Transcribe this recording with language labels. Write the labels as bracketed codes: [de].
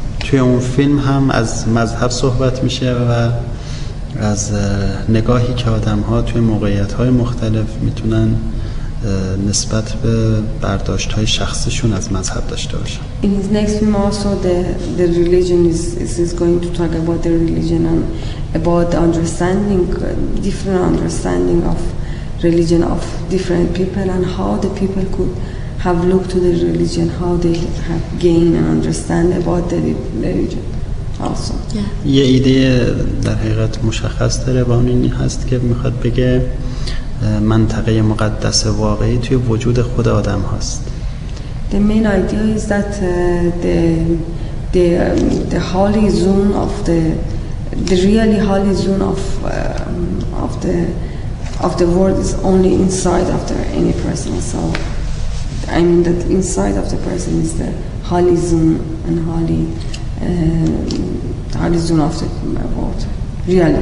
[fa] توی اون فیلم هم از مذهب صحبت میشه و از نگاهی که آدم ها توی موقعیت های مختلف میتونن نسبت به برداشت های شخصشون از مذهب داشته باشن. [en] In his next film also the religion is going to talk about the religion and about the understanding, different understanding of religion of different people and how the people could have looked to the religion, how they have gained and understand about the religion also. [fa] یه ایده در حقیقت مشخص داره با اون این هست که میخواد بگه منطقه مقدس واقعی توی وجود خود آدم هست. [en] The main idea is that the holy zone of the really holy zone of the world is only inside of the any person. So I mean that inside of the person is the holy zone and holy zone of the world. Really.